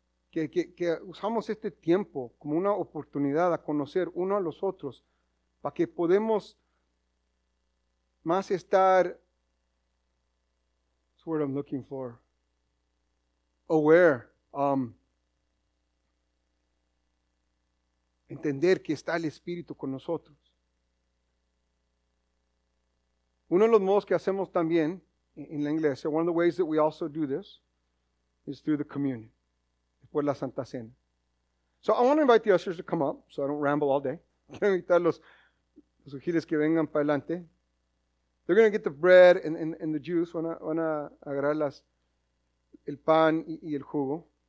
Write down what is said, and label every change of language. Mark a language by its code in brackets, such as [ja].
[es] Que usamos este tiempo como una oportunidad a conocer uno a los otros para que podemos más estar, [en] that's the word I'm looking for, aware, [es] entender que está el Espíritu con nosotros. Uno de los modos que hacemos también en la iglesia, [en] one of the ways that we also do this [es] is through the communion, por la Santa Cena. [en] So I want to invite the ushers to come up so I don't ramble all day. [es] Quiero invitar los ujiles que vengan para adelante. [en] They're going to get the bread and the juice. [es] Van a agarrar el pan y el jugo.